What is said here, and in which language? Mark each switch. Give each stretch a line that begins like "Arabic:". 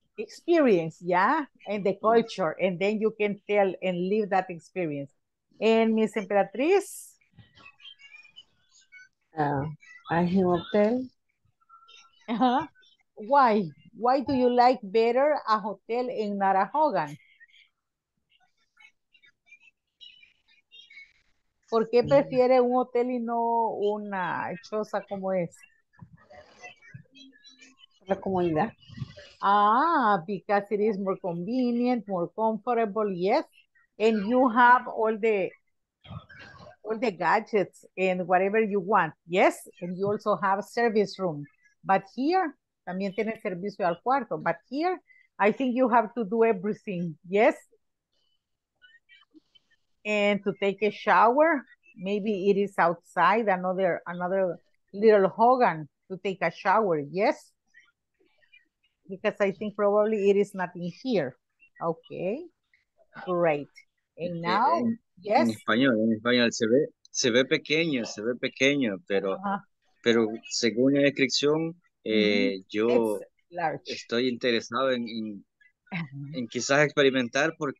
English: Experience, yeah, and the culture, and then you can tell and live that experience. And Miss Emperatriz? I have a hotel. Uh-huh. Why? Why do you like better a hotel in not a Hogan?
Spanish: ¿Por qué prefiere un hotel y no una choza como esa? La comodidad.
English: Ah, because it is more convenient, more comfortable, yes. And you have all the gadgets and whatever you want, yes. And you also have a service room. But here,
Spanish: también tiene servicio al cuarto.
English: But here, I think you have to do everything, yes. And to take a shower, maybe it is outside another little Hogan to take a shower, yes? Because I think probably it is not in here. Okay, great. And now, yes?
Spanish: En español, se ve pequeño, se ve pequeño, pero, pero según la descripción, yo estoy interesado en quizás experimentar porque